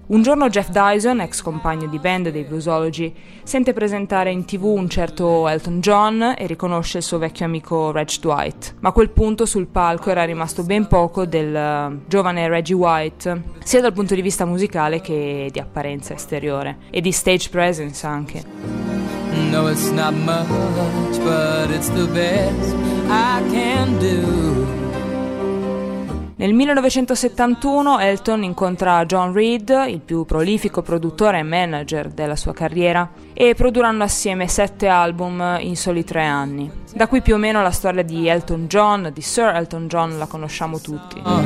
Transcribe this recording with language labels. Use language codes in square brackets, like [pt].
[it] Un giorno Jeff Dyson, ex compagno di band dei Bluesology, sente presentare in TV un certo Elton John e riconosce il suo vecchio amico Reg Dwight. Ma a quel punto sul palco era rimasto ben poco del giovane Reggie White, sia dal punto di vista musicale che di apparenza esteriore. E di stage presence anche. [en] No, it's not much, but it's the best I can do. [it] Nel 1971 Elton incontra John Reed, il più prolifico produttore e manager della sua carriera, e produrranno assieme 7 album in soli 3 anni. Da qui più o meno la storia di Elton John, di Sir Elton John, la conosciamo tutti.